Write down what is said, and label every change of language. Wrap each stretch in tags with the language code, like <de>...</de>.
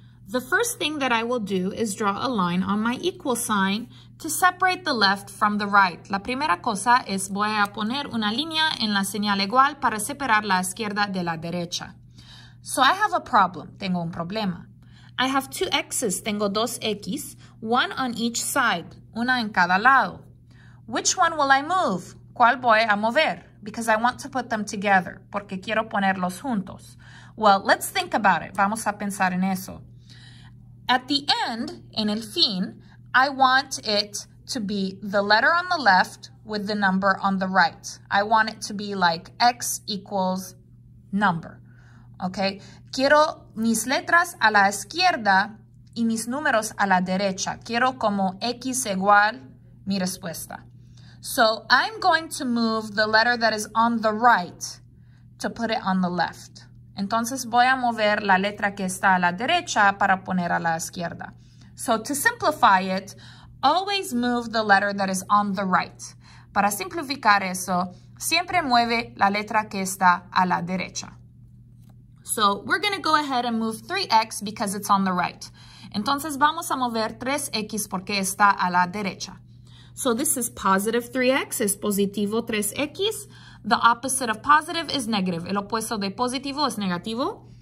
<en>The first thing that I will do is draw a line on my equal sign to separate the left from the right.</en> <es>La primera cosa es voy a poner una línea en la señal igual para separar la izquierda de la derecha.</es> <en>So I have a problem.</en> <es>Tengo un problema.</es> <en>I have two x's.</en> <es>Tengo dos x,</es> <en>one on each side,</en> <es>una en cada lado.</es> <en>Which one will I move?</en> <es>¿Cuál voy a mover?</es> <en>Because I want to put them together,</en> <es>porque quiero ponerlos juntos.</es> <en>Well, let's think about it.</en> <es>Vamos a pensar en eso.</es> <en>At the end,</en> <es>en el fin,</es> <en>I want it to be the letter on the left with the number on the right. I want it to be like x equals number. Okay?</en> <es>Quiero mis letras a la izquierda y mis números a la derecha. Quiero como x igual mi respuesta.</es> <en>So I'm going to move the letter that is on the right to put it on the left.</en> <es>Entonces voy a mover la letra que está a la derecha para poner a la izquierda.</es> <en>So to simplify it, always move the letter that is on the right.</en> <es>Para simplificar eso, siempre mueve la letra que está a la derecha.</es> <en>So we're going to go ahead and move 3x because it's on the right.</en> <es>Entonces vamos a mover 3x porque está a la derecha.</es> <en>So this is positive 3x,</en> <es>es positivo 3x.</es> <en>The opposite of positive is negative.</en> <es>El opuesto de positivo es negativo.</es>